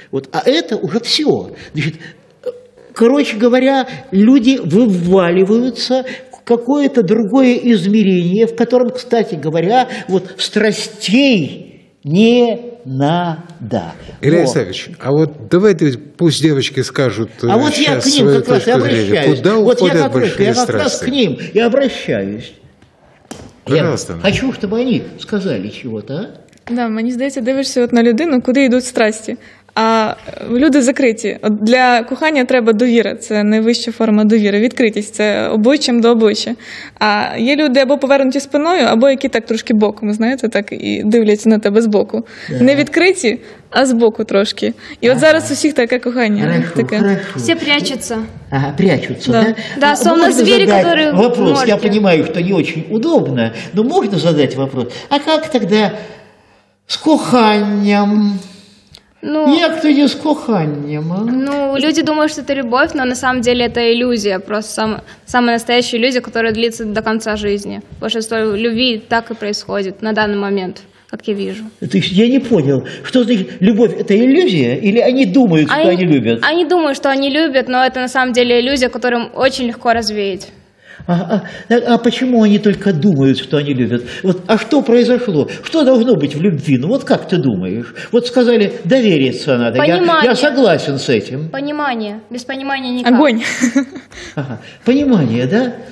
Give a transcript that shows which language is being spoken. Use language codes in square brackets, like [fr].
[ru] Вот, а это уже все. Значит, короче говоря, люди вываливаются в какое-то другое измерение, в котором, кстати говоря, вот страстей не... Надо. Илья Исаевич, а вот давайте пусть девочки скажут. А вот я к ним как раз и обращаюсь. Куда вот уходят большие страсти? Я как раз к ним и обращаюсь. Пожалуйста. Я хочу, чтобы они сказали чего-то. [uk] Да, мені здається, дивишся от на людину, куди йдуть страсті. А люди закриті. От для кохання треба довіра, це найвища форма довіри. Відкритість – це обличчям до обличчя. А є люди або повернуті спиною, або які так трошки боком, знаєте, так і дивляться на тебе збоку. Да. Не відкриті, а збоку трошки. І от зараз усіх таке кохання. [ru] Хорошо, [uk] таке. [ru] Хорошо. [uk] Всі прячуться. [ru] Ага, прячуться, да? [uk] Да, да, словно звірі, які в морді. Я розумію, що [ru] не дуже удобно, [uk] але можна задати вопрос. А як тоді з коханням? Ну, як-то не з коханням, а? Ну, люди думають, що це любов, але насправді це ілюзія, просто найнастояща ілюзія, яка длиться до кінця життя. Більшість любові так і відбувається на даний момент, як я бачу. Тобто я не зрозумів, що значить любов – це ілюзія, або вони думають, що вони люблять? Вони думають, що вони люблять, але це насправді ілюзія, яку дуже легко розвіяти. [ru] А почему они только думают, что они любят? Вот, а что произошло? Что должно быть в любви? Ну вот как ты думаешь? Вот сказали, довериться надо. Понимание. Я согласен с этим. Понимание. Без понимания никак. Огонь. Ага. Понимание, да?